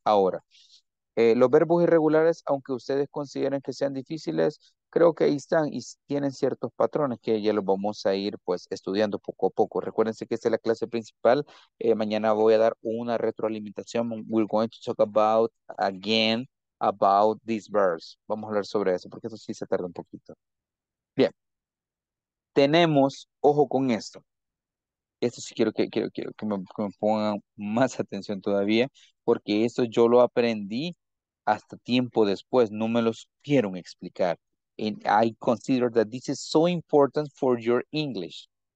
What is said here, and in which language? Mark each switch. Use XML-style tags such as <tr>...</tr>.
<es>Ahora, los verbos irregulares, aunque ustedes consideren que sean difíciles, creo que ahí están y tienen ciertos patrones que ya los vamos a ir pues estudiando poco a poco. Recuérdense que esta es la clase principal. Mañana voy a dar una retroalimentación.</es> <en>We're going to talk about, again, about these verbs.</en> <es>Vamos a hablar sobre eso, porque eso sí se tarda un poquito. Bien. Tenemos, ojo con esto. Esto sí quiero que me pongan más atención todavía, porque eso yo lo aprendí hasta tiempo después. No me lo supieron explicar.</es> <en>And I consider that this is so important for your English.</en>